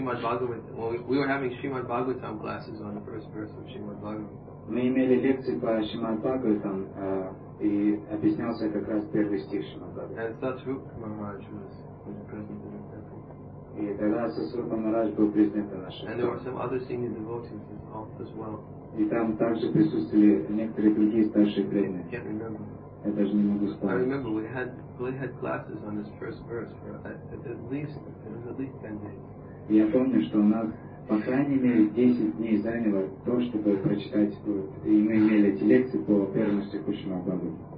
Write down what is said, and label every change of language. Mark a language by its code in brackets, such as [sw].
[en] When we were having Srimad Bhagavatam classes on the first verse of Srimad Bhagavatam. [ru] Мы имели лекции по Шримад Бхагаватам, и объяснялся как раз первый стих Шримад Бхагаватам. [en] And Satrupa Maharaj was present in the temple. [ru] И тогда Сатрупа Махарадж был президентом нашего. [en] And there were some other senior devotees as well. [ru] И там также присутствовали некоторые другие старшие преданные. [en] Can't remember. [ru] Я даже не могу вспомнить. [en] I remember we had classes on this first verse for at least 10 days. [ru] Я помню, что у нас по крайней мере 10 дней заняло то, чтобы прочитать, и мы имели эти лекции по первому стиху Шримад Бхагаватам.